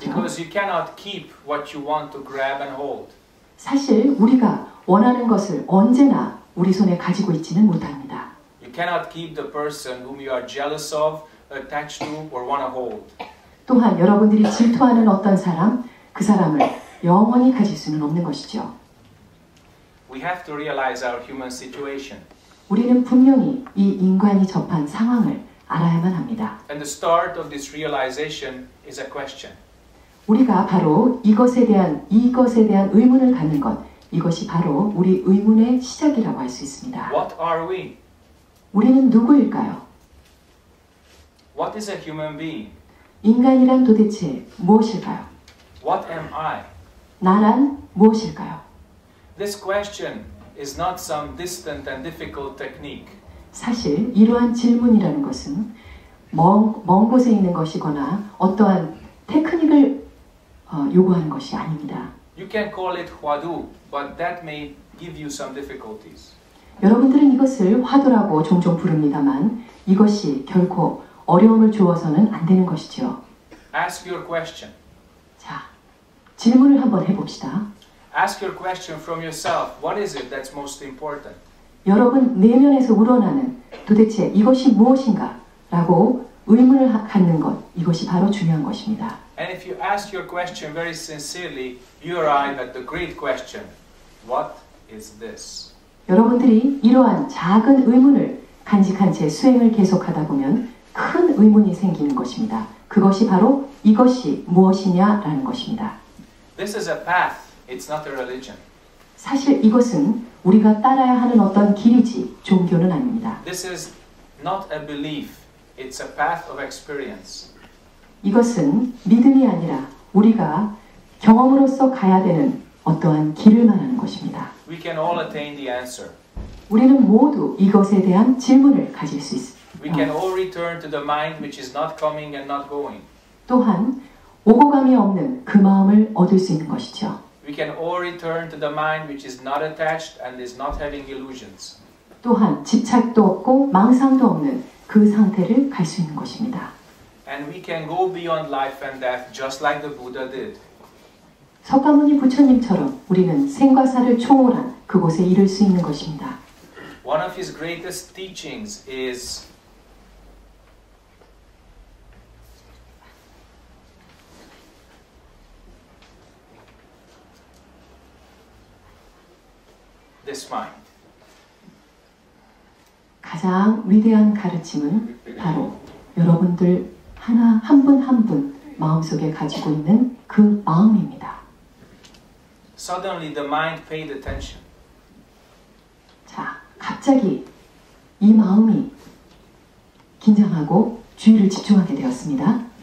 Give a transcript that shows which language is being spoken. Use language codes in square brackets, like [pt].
[en] Because you cannot keep what you want to grab and hold. [ko] 사실 우리가 원하는 것을 언제나 우리 손에 가지고 있지는 못합니다. [en] You cannot keep the person whom you are jealous of, attached to, or want to hold. [ko] 또한 여러분들이 질투하는 어떤 사람, 그 사람을 영원히 가질 수는 없는 것이죠. [en] We have to realize our human situation. [ko] 우리는 분명히 이 인간이 접한 상황을 알아야만 합니다. [en] And the start of this realization is a question. [ko] 우리가 바로 이것에 대한 의문을 갖는 것. 이것이 바로 우리 의문의 시작이라고 할 수 있습니다. [en] What are we? [ko] 우리는 누구일까요? [en] What is a human being? [ko] 인간이란 도대체 무엇일까요? [en] What am I? [ko] 나란 무엇일까요? [en] This question is not some distant and difficult technique. [ko] 사실 이러한 질문이라는 것은 먼 곳에 있는 것이거나 어떠한 테크닉을 요구하는 것이 아닙니다. [en] You can call it 화두, but that may give you some difficulties. [ko] 여러분들은 이것을 화두라고 종종 부릅니다만 이것이 결코 어려움을 주어서는 안 되는 것이죠. [en] Ask your question. [ko] 자, 질문을 한번 해봅시다. [en] Ask your question from yourself. What is it that's most important? [ko] 여러분 내면에서 우러나는 도대체 이것이 무엇인가? 라고 의문을 갖는 것, 이것이 바로 중요한 것입니다. [en] And if you ask your question very sincerely, you arrive at the great question. What is this? [ko] 여러분들이 이러한 작은 의문을 간직한 채 수행을 계속하다 보면 큰 의문이 생기는 것입니다. 그것이 바로 이것이 무엇이냐라는 것입니다. [en] This is a path. It's not a religion. [ko] 사실 이것은 우리가 따라야 하는 어떤 길이지 종교는 아닙니다. [en] This is not a belief. It's a path of experience. [ko] 이것은 믿음이 아니라 우리가 경험으로서 가야 되는 어떠한 길을 말하는 것입니다. [en] We can all attain the answer. [ko] 우리는 모두 이것에 대한 질문을 가질 수 있습니다. [en] We can all return to the mind which is not coming and not going. [ko] 또한 오고 감이 없는 그 마음을 얻을 수 있는 것이죠. [en] We can all return to the mind which is not attached and is not having illusions. [ko] 또한 집착도 없고 망상도 없는 그 상태를 갈 수 있는 것입니다. [en] And we can go beyond life and death just like the Buddha did. [ko] 석가모니 부처님처럼 우리는 생과 사를 초월한 그곳에 이를 수 있는 것입니다. [en] One of his greatest teachings is this mind. [ko] 가장 위대한 가르침은 바로 여러분들 하나 한 분 한 분 마음속에 가지고 있는 그 마음입니다. [en] Suddenly the mind paid attention. [ko] 자, 갑자기 이 마음이 긴장하고 주의를 집중하게 되었습니다.